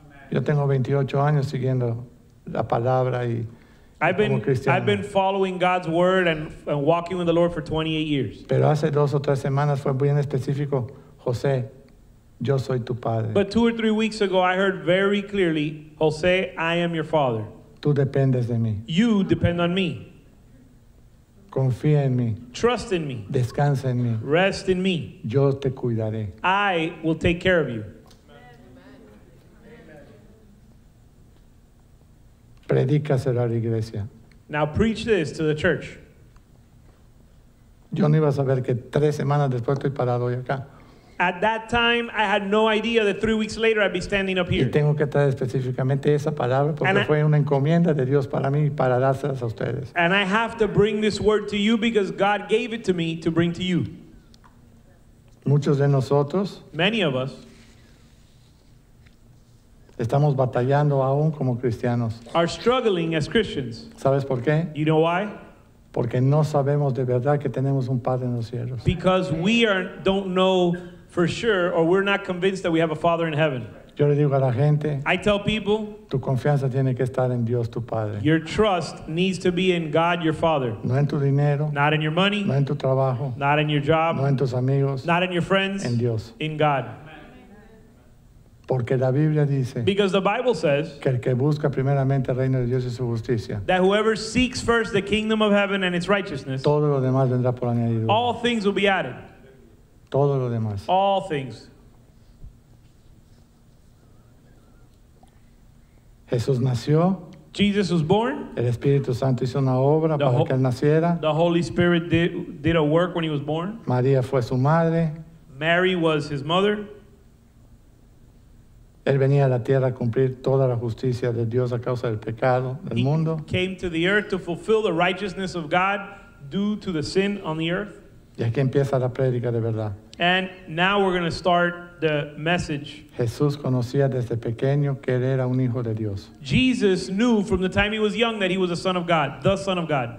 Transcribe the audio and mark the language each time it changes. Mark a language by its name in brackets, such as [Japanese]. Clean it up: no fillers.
[Spanish] Yo tengo 28 años siguiendo la palabra y como cristiano. [English] I've been following God's word and walking with the Lord for 28 years. [Spanish] Pero hace dos o tres semanas fue bien específico, José. Yo soy tu padre. [English] But 2 or 3 weeks ago, I heard very clearly, Jose, I am your father. [Spanish] Tú dependes de mí. [English] You depend on me. [Spanish] Confía en mí. [English] Trust in me. [Spanish] Descansa en mí. [English] Rest in me. [Spanish] Yo te cuidaré. [English] I will take care of you. [Spanish] Predícaselo a la iglesia. [English] Now preach this to the church. [Spanish] Yo no iba a saber que tres semanas después estoy parado hoy acá. [English] At that time, I had no idea that 3 weeks later I'd be standing up here. [Spanish] Y tengo que traer específicamente esa palabra porque fue una encomienda de Dios para mí y para dárselas a ustedes. [English] And I have to bring this word to you because God gave it to me to bring to you. [Spanish] Muchos de nosotros, [English] many of us, [Spanish] estamos batallando aún como cristianos. [English] Are struggling as Christians. [Spanish] ¿Sabes por qué? [English] You know why? [Spanish] Porque no sabemos de verdad que tenemos un Padre en los cielos. [English] Because we are, don't know for sure, or we're not convinced that we have a Father in heaven. [Spanish] Yo le digo a la gente, [English] I tell people, [Spanish] tu confianza tiene que estar en Dios, tu Padre. [English] Your trust needs to be in God, your Father. [Spanish] No en tu dinero. [English] Not in your money. [Spanish] No en tu trabajo. [English] Not in your job. [Spanish] No en tus amigos. [English] Not in your friends. [Spanish] En Dios. [English] In God. [Spanish] Porque la Biblia dice, [English] because the Bible says, [Spanish] que el que busca primeramente el reino de Dios y su justicia, [English] that whoever seeks first the kingdom of heaven and its righteousness, [Spanish] todo lo demás vendrá por añadidura. [English] All things will be added. [Spanish] Todo lo demás. [English] All things. [Spanish] Jesús nació. [English] Jesus was born. [Spanish] El Espíritu Santo hizo una obra para que él naciera. [English] The Holy Spirit did a work when he was born. [Spanish] María fue su madre. [English] Mary was his mother. [Spanish] Él venía a la tierra a cumplir toda la justicia de Dios a causa del pecado del mundo. [English] He came to the earth to fulfill the righteousness of God due to the sin on the earth. [Spanish] Y aquí empieza la prédica de verdad. [English] And now we're going to start the message. [Spanish] Jesús conocía desde pequeño que él era un hijo de Dios. [English] Jesus knew from the time he was young that he was a son of God, the son of God.